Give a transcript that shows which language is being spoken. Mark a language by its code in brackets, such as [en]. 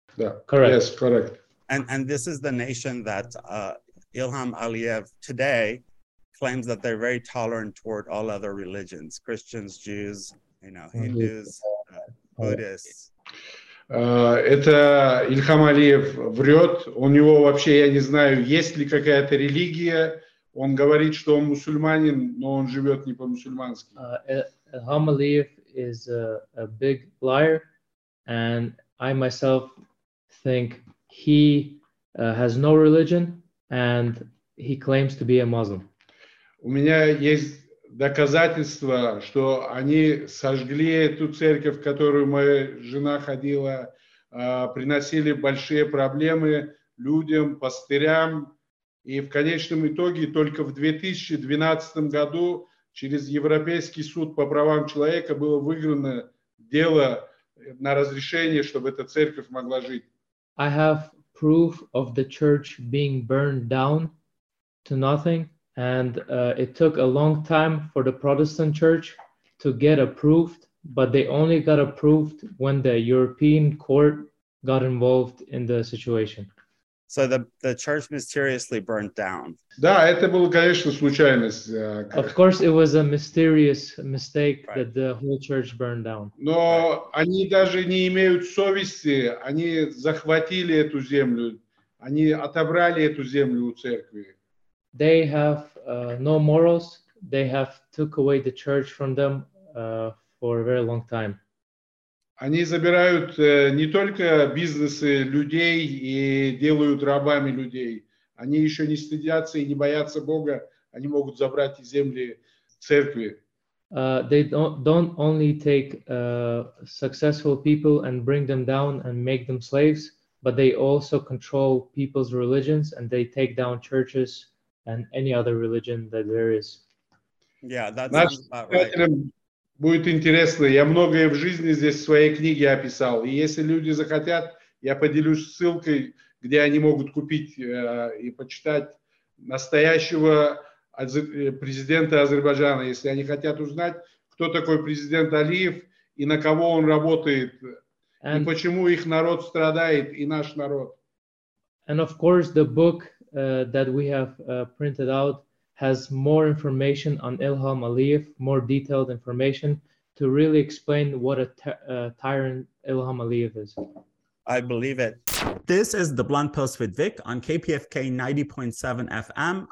[en] Yeah, correct. Yes, correct. And this is the nation that Ilham Aliyev today claims that they're very tolerant toward all other religions, Christians, Jews, you know, Hindus, Buddhists. [ru] Это Ильхам Алиев врет. У него вообще, я не знаю, есть ли какая-то религия. Он говорит, что он мусульманин, но он живет не по-мусульмански. [en] Ильхам Алиев is a big liar, and I myself think he has no religion, and he claims to be a Muslim. [ru] У меня есть доказательства, что они сожгли эту церковь, в которую моя жена ходила, приносили большие проблемы людям, пастырям. И в конечном итоге только в 2012 году через Европейский суд по правам человека было выиграно дело на разрешение, чтобы эта церковь могла жить. [en] I have proof of the church being burned down to nothing. And it took a long time for the Protestant church to get approved, but they only got approved when the European court got involved in the situation. So the church mysteriously burnt down. [ru] Да, это было, конечно, случайность. [en] Of course, it was a mysterious mistake right. That the whole church burned down. [ru] Но они даже не имеют совести, они захватили эту землю, они отобрали эту землю у церкви. [en] They have no morals. They have took away the church from them for a very long time. [ru] Они забирают не только бизнесы людей и делают рабами людей. Они еще не стыдятся и не боятся Бога. Они могут забрать земли церкви. [en] They don't only take successful people and bring them down and make them slaves, but they also control people's religions and they take down churches. And any other religion that there is. Yeah, that's right. [ru] Будет интересно. Я многое в жизни здесь в своей книге описал. И если люди захотят, я поделюсь ссылкой, где они могут купить и почитать настоящего президента Азербайджана. Если они хотят узнать, кто такой президент Алиев и на кого он работает, [en] and, [ru] и почему их народ страдает и наш народ. [en] And of course, the book. That we have printed out has more information on Ilham Aliyev, more detailed information to really explain what a tyrant Ilham Aliyev is. I believe it. This is The Blunt Post with Vic on KPFK 90.7 FM.